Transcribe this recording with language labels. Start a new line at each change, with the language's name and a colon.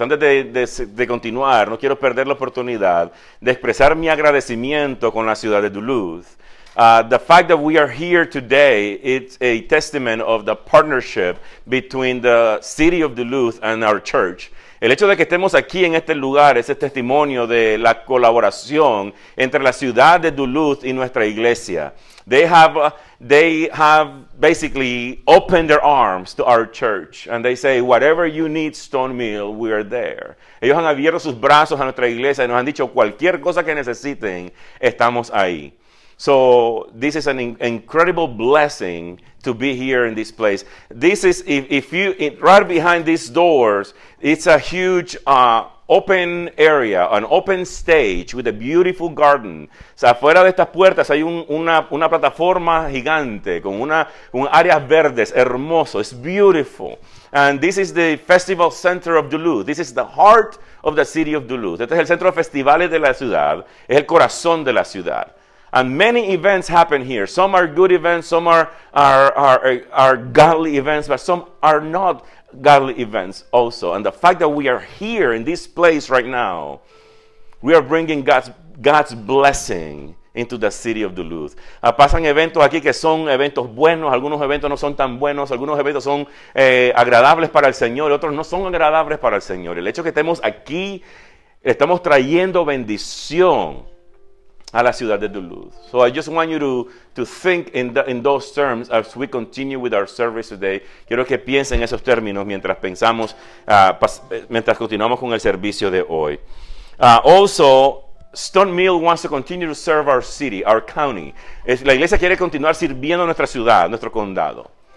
Spanish: Antes de continuar, no quiero perder la oportunidad de expresar mi agradecimiento con la ciudad de Duluth.
English: The fact that we are here today, it's a testament of the partnership between the city of Duluth and our church.
Spanish: El hecho de que estemos aquí en este lugar es el testimonio de la colaboración entre la ciudad de Duluth y nuestra iglesia.
English: They have basically opened their arms to our church, and they say, whatever you need, Stone Mill, we are there.
Spanish: Ellos han abierto sus brazos a nuestra iglesia y nos han dicho, cualquier cosa que necesiten, estamos ahí.
English: So this is an incredible blessing to be here in this place. This is, right behind these doors, it's a huge open area, an open stage with a beautiful garden.
Spanish: O sea, afuera de estas puertas hay una plataforma gigante con un áreas verdes, hermoso,
English: it's beautiful. And this is the Festival Center of Duluth. This is the heart of the city of Duluth.
Spanish: Este es el centro de festivales de la ciudad, es el corazón de la ciudad.
English: And many events happen here. Some are good events, some are godly events, but some are not godly events also. And the fact that we are here in this place right now, we are bringing God's blessing into the city of Duluth.
Spanish: Pasan eventos aquí que son eventos buenos, algunos eventos no son tan buenos, algunos eventos son agradables para el Señor, otros no son agradables para el Señor. El hecho que estemos aquí, estamos trayendo bendición a la ciudad de Duluth.
English: So I just want you to think in those terms as we continue with our service today.
Spanish: Quiero que piensen en esos términos mientras pensamos, mientras continuamos con el servicio de hoy.
English: Also, Stone Mill wants to continue to serve our city, our county.
Spanish: La iglesia quiere continuar sirviendo nuestra ciudad, nuestro condado.